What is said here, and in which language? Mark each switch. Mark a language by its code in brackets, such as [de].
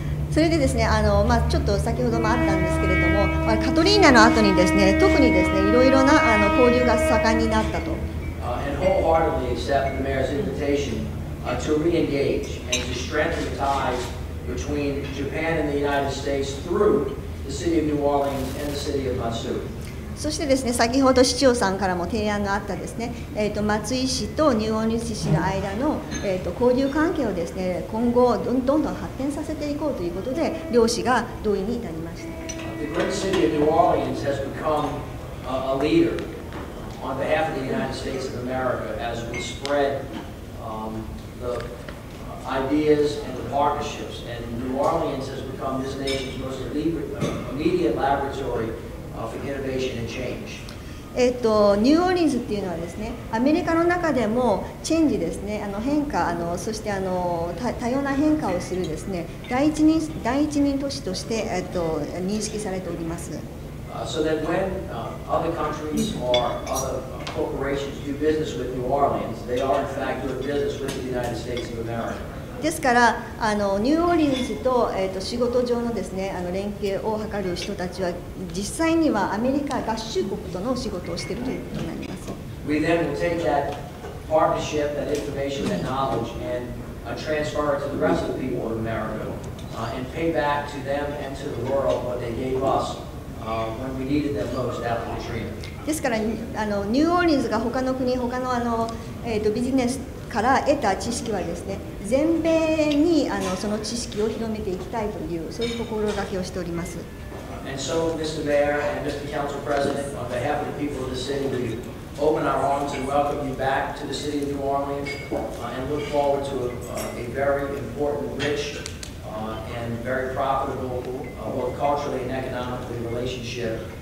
[ja] それでですね、ちょっと先ほどもあったんですけれども、カトリーナの後にですね、特にですね、いろいろな交流が盛んになったと。 [en] And wholeheartedly accept the mayor's invitation to re-engage and to strengthen the ties between Japan and the United States through the city of New Orleans and the city of Matsui. [ja] そしてですね、先ほど市長さんからも提案があったですね、松井市とニューオーリンズ市の間の、交流関係をですね、今後どんどん発展させていこうということで、両市が同意に至りました。 [en] The great city of New Orleans has become a leader on behalf of the United States of America as we spread the ideas and the partnerships. And New Orleans has become this nation's most immediate laboratory. [ja] ニューオーリンズっていうのはですね、アメリカの中でもチェンジですね、変化、そして多様な変化をするですね、第一人都市として、認識されております。 [en] So that when other countries or other corporations do business with New Orleans, they are in fact doing business with the United States of America. [ja] ですからニューオーリンズ と,、仕事上 の, です、ね、連携を図る人たちは実際にはアメリカ合衆国との仕事をしているということになります。 [en] We then will take that partnership, that information, that knowledge, and transfer it to the rest of the people of America, and pay back to them and to the world what they gave us when we needed them most after Katrina. [ja] ですから、ニューオーリンズが他の国、他の、ビジネスから得た知識はですね、全米にその知識を広めていきたいという、そういう心がけをしております。 [en] And so, Mr. Mayor and Mr. Council President, on behalf of the people of the city, we open our arms and welcome you back to the city of New Orleans, and look forward to a very important, rich, and very profitable, both culturally and economically, relationship.